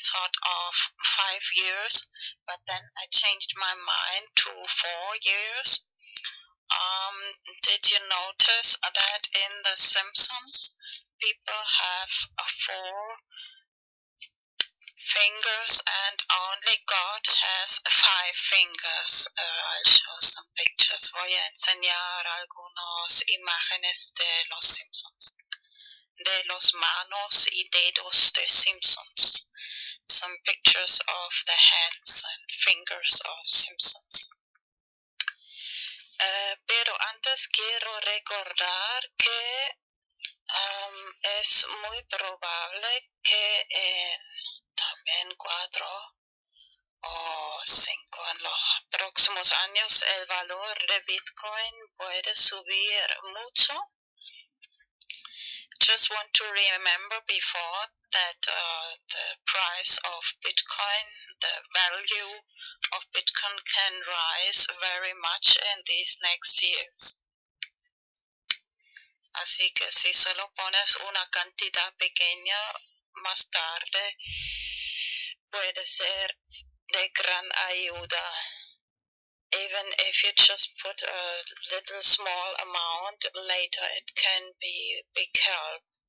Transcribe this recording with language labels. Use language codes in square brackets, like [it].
[en] thought of 5 years, but then I changed my mind to 4 years. Did you notice that in The Simpsons, people have four fingers and only God has five fingers? I'll show some pictures. [es] Voy a enseñar algunas imágenes de Los Simpsons. De los manos y dedos de Simpsons. [en] Some pictures of the hands and fingers of Simpsons. [es] Pero antes quiero recordar que es muy probable que en también 4 o 5 en los próximos años el valor de Bitcoin puede subir mucho. [en] Just want to remember before that the price of Bitcoin, the value of Bitcoin can rise very much in these next years. [es] Así que si solo pones una cantidad pequeña, más tarde puede ser de gran ayuda. [en] Even if you just put a little small amount, later it can be big help.